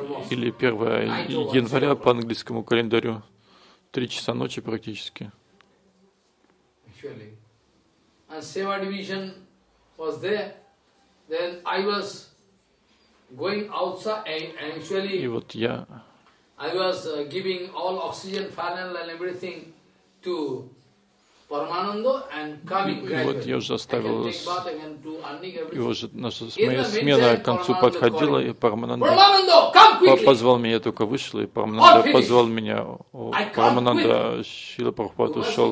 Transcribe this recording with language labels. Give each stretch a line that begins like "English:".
Russian: Или 1 января по английскому календарю. 3 часа ночи практически.
English: And Seva Division was there. Then I was going outside and actually I was giving all oxygen funnel and everything to Paramananda and coming gradually.
Russian: И вот я уже оставил, и уже наша смена к концу подходила, и Парамананда позвал меня, я только вышел, и Парамананда позвал меня. Парамананда, Шрила Прабхупада ушел.